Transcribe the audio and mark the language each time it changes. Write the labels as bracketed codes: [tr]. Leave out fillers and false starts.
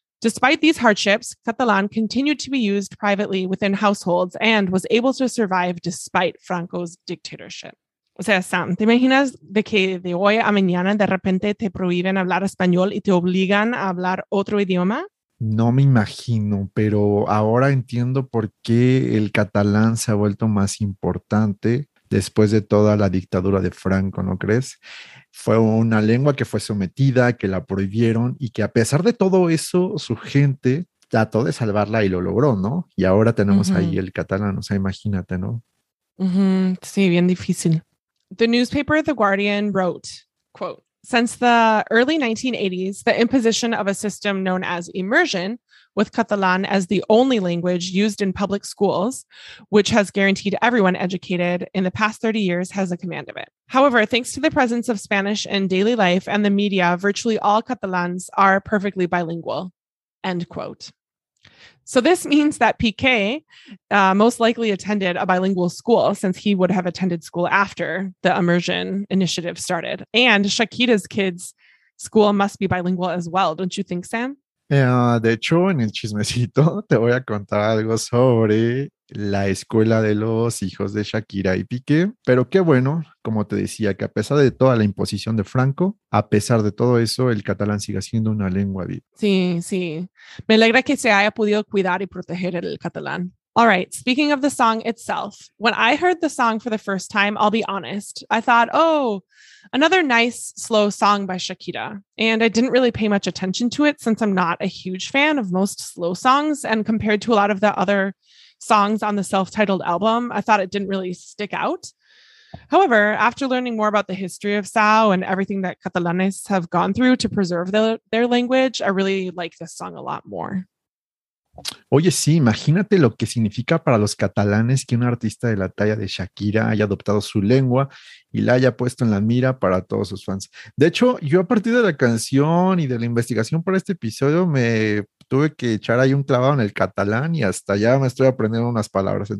[en] Despite these hardships, Catalan continued to be used privately within households and was able to survive despite Franco's dictatorship. [es] O sea, Sam, ¿te imaginas de que de hoy a mañana de repente te prohíben hablar español y te obligan a hablar otro idioma? No me imagino, pero ahora entiendo por qué el catalán se ha vuelto más importante después de toda la dictadura de Franco, ¿no crees? Fue una lengua que fue sometida, que la prohibieron y que a pesar de todo eso, su gente trató de salvarla y lo logró, ¿no? Y ahora tenemos ahí el catalán, o sea, imagínate, ¿no? Sí, bien difícil. [en] The newspaper The Guardian wrote, quote, "Since the early 1980s, the imposition of a system known as immersion, with Catalan as the only language used in public schools, which has guaranteed everyone educated in the past 30 years, has a command of it. However, thanks to the presence of Spanish in daily life and the media, virtually all Catalans are perfectly bilingual," end quote. So this means that Piqué most likely attended a bilingual school since he would have attended school after the immersion initiative started. And Shakira's kids school must be bilingual as well, don't you think, Sam? [es] De hecho, en el chismecito te voy a contar algo sobre la escuela de los hijos de Shakira y Piqué. Pero qué bueno, como te decía, que a pesar de toda la imposición de Franco, a pesar de todo eso, el catalán siga siendo una lengua viva. Sí, sí. Me alegra que se haya podido cuidar y proteger el catalán. [en] All right, speaking of the song itself, when I heard the song for the first time, I'll be honest, I thought, oh, another nice, slow song by Shakira. And I didn't really pay much attention to it since I'm not a huge fan of most slow songs. And compared to a lot of the other songs on the self-titled album, I thought it didn't really stick out. However, after learning more about the history of Sao and everything that Catalanes have gone through to preserve their language, I really like this song a lot more. [es] Oye, sí, imagínate lo que significa para los catalanes que un artista de la talla de Shakira haya adoptado su lengua y la haya puesto en la mira para todos sus fans. De hecho, yo a partir de la canción y de la investigación para este episodio me tuve que echar ahí un clavado en el catalán y hasta ya me estoy aprendiendo unas palabras.